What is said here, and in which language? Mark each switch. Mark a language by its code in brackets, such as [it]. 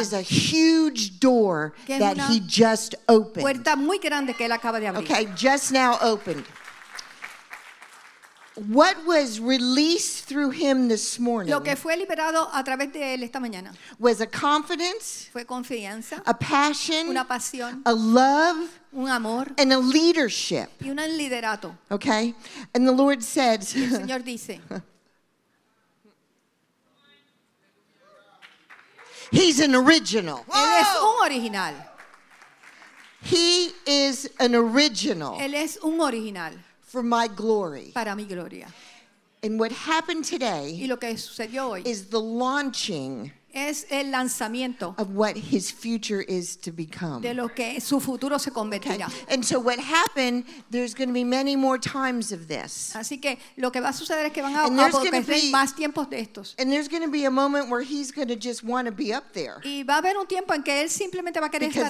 [en] Is a huge door that he just opened. [es] Puerta muy grande que él acaba de abrir. [en] Okay, just now opened. What was released through him this morning? [es] Lo que fue liberado a través de él esta mañana. [en] Was a confidence? [es] Fue confianza. [en] A passion? [es] Una pasión. [en] A love? [es] Un amor. [en] And a leadership. [es] Y un liderato. [en] Okay, and the Lord said. [es] El Señor dice. [en] He's an original. [es] Él es un original. [en] He is an original. [es] Él es un original. [en] For my glory. [es] Para mi gloria. [en] And what happened today [es] y lo que sucedió hoy [en] is the launching [es] es el lanzamiento [en] of what his future is to become. [es] De lo que su futuro se convertirá. [en] Okay. And so what happened, there's going to be many more times of this. [es] Así que lo que va a suceder es que van a ocurrir más tiempos de estos. [en] And there's going to be a moment where he's going to just want to be up there. [es] Y va a haber un tiempo en que él simplemente va a querer estar ahí